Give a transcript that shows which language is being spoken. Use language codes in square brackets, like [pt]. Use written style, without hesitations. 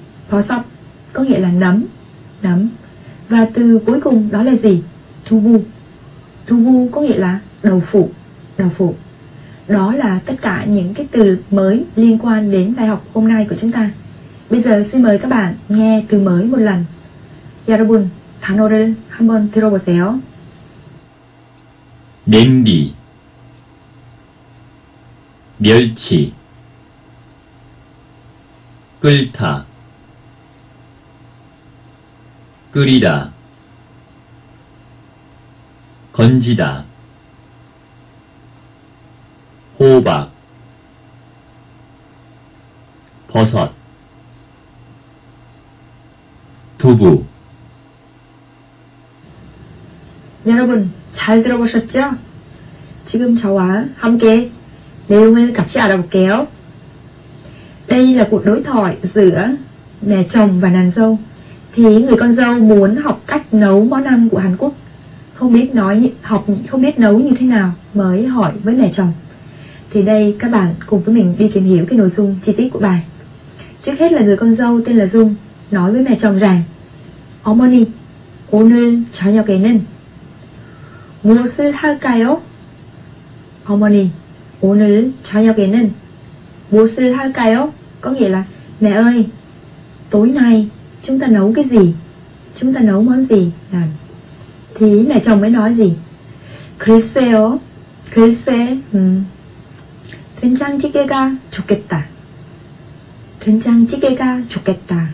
[vi] 버섯 có nghĩa là nấm, nấm. Và từ cuối cùng đó là gì? 두부. 두부 có nghĩa là đậu phụ, đậu phụ. Đó là tất cả những cái từ mới liên quan đến bài học hôm nay của chúng ta. Bây giờ xin mời các bạn nghe từ mới một lần. [ko] 여러분, 단어를 한번 들어보세요. 냄비, 멸치, 끓다, 끓이다, 건지다, 호박, 버섯, 두부. 여러분, 잘 들어보셨죠? 지금 저와 함께 내용을 같이 알아볼게요. [vi] Đây là cuộc đối thoại giữa mẹ chồng và nàng dâu. Thì người con dâu muốn học cách nấu món ăn của Hàn Quốc, không biết nấu như thế nào, mới hỏi với mẹ chồng. Thì đây, các bạn cùng với mình đi tìm hiểu cái nội dung chi tiết của bài. Trước hết là người con dâu tên là Dung nói với mẹ chồng rằng: [ko] 어머니, 오늘 저녁에는 무엇을 할까요? 어머니, 오늘 저녁에는 무엇을 할까요? [vi] Có nghĩa là, mẹ ơi, tối nay chúng ta nấu cái gì? Chúng ta nấu món gì? Thì mẹ chồng mới nói gì? [ko] 글쎄요. 글쎄. 된장찌개가 좋겠다. 된장찌개가 좋겠다.